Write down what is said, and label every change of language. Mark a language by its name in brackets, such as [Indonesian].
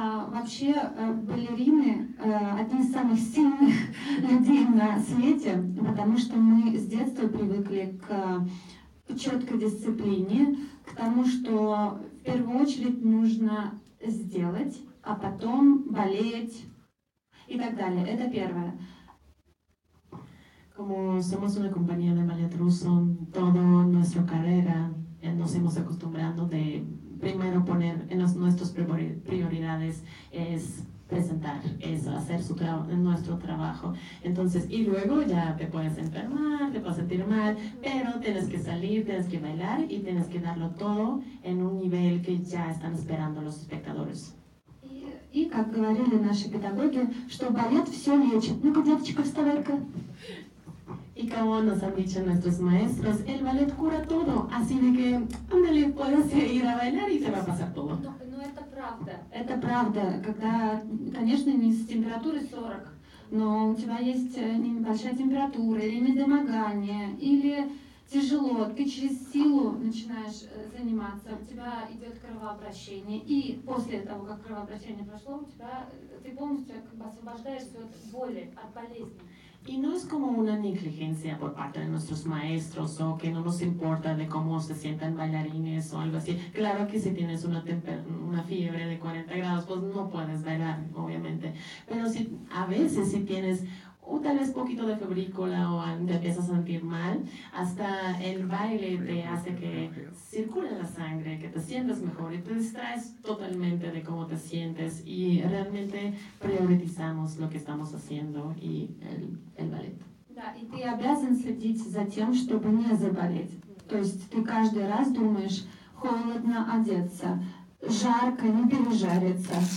[Russian] Вообще балерины одни из самых сильных людей на свете, потому что мы с детства привыкли к четкой дисциплине, к тому, что в первую очередь нужно сделать, а потом болеть и так далее. Это первое. [Spanish] Como somos una compañía de ballet ruso, toda nuestra carrera nos hemos acostumbrado de primero poner en nuestras prioridades es presentar, es hacer nuestro trabajo. Entonces, y luego ya te puedes enfermar, te puedes sentir mal, pero tienes que salir, tienes que bailar y tienes que darlo todo en un nivel que ya están esperando los espectadores. [Russian] И, как говорили наши педагоги, что балет все лечит. Ну-ка, деточка, вставай-ка. [Spanish] Y como nos han dicho nuestros maestros, el ballet cura todo. Así de que, ándale, puedes ir a bailar y se va a pasar todo. No, no, [Russian] это правда. Это правда. Когда, конечно, не с температурой 40, но у тебя есть небольшая температура или недомогание, или тяжело, ты через силу начинаешь заниматься, у тебя идет кровообращение, и после того, как кровообращение прошло, ты полностью как бы освобождаешься от боли, от болезни. [Spanish] Y no es como una negligencia por parte de nuestros maestros o que no nos importa de cómo se sientan bailarines o algo así. Claro que si tienes una fiebre de 40 grados, pues no puedes bailar, obviamente. Pero si, a veces si tienes o tal vez poquito de febrícula o te empiezas a sentir mal, hasta el baile te hace que circule la sangre, que te sientas mejor y te distraes totalmente de cómo te sientes y realmente priorizamos lo que estamos haciendo y el ballet. Y [Russian] ты обязан следить за тем, чтобы не заболеть. То есть ты каждый раз думаешь, холодно одеться, жарко не пережариться.